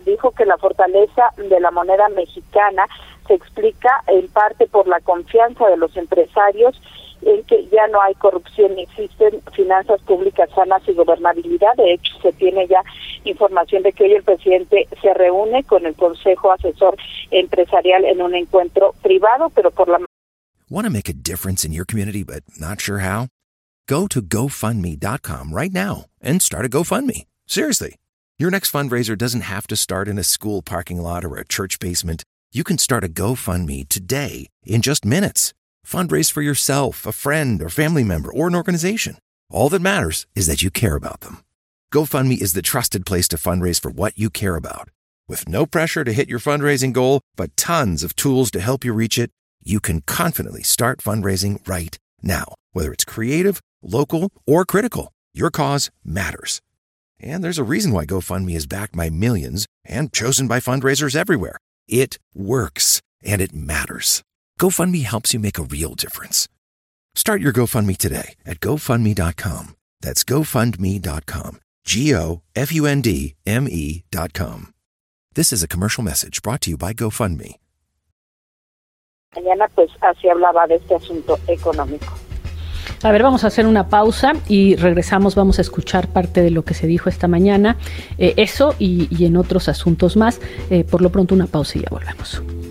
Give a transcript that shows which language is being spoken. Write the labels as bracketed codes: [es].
[es] Dijo que la fortaleza de la moneda mexicana se explica en parte por la confianza de los empresarios en que ya no hay corrupción, existen finanzas públicas sanas y gobernabilidad. De hecho, se tiene ya información de que hoy el presidente se reúne con el Consejo Asesor Empresarial en un encuentro privado, pero por la... [en] Want to make a difference in your community but not sure how? Go to GoFundMe.com right now and start a GoFundMe. Seriously, your next fundraiser doesn't have to start in a school parking lot or a church basement. You can start a GoFundMe today in just minutes. Fundraise for yourself, a friend, or family member, or an organization. All that matters is that you care about them. GoFundMe is the trusted place to fundraise for what you care about. With no pressure to hit your fundraising goal, but tons of tools to help you reach it, you can confidently start fundraising right now. Whether it's creative, local, or critical, your cause matters. And there's a reason why GoFundMe is backed by millions and chosen by fundraisers everywhere. It works, and it matters. GoFundMe helps you make a real difference. Start your GoFundMe today at GoFundMe.com. That's GoFundMe.com. GoFundMe.com. This is a commercial message brought to you by GoFundMe. [es] Mañana, pues, así hablaba de este asunto económico. A ver, vamos a hacer una pausa y regresamos. Vamos a escuchar parte de lo que se dijo esta mañana. Eso y en otros asuntos más. Por lo pronto, una pausa y ya volvemos.